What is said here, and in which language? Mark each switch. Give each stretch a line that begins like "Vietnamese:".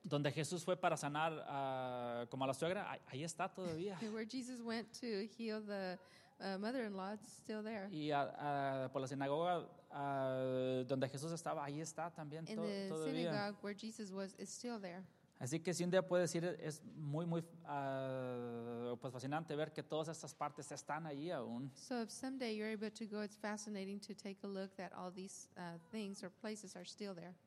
Spanish: Donde Jesús fue para sanar como a la suegra, ahí está todavía.
English: And where Jesus went to heal the mother-in-law, it's still there.
Spanish: Y por la sinagoga donde Jesús estaba, ahí está también todavía.
English: In the synagogue where Jesus was, it's still there.
Spanish: Así que si un día puedes decir, es muy, muy pues fascinante ver que todas estas partes están ahí aún.
English: So if someday you're able to go, it's fascinating to take a look that all these things or places are still there.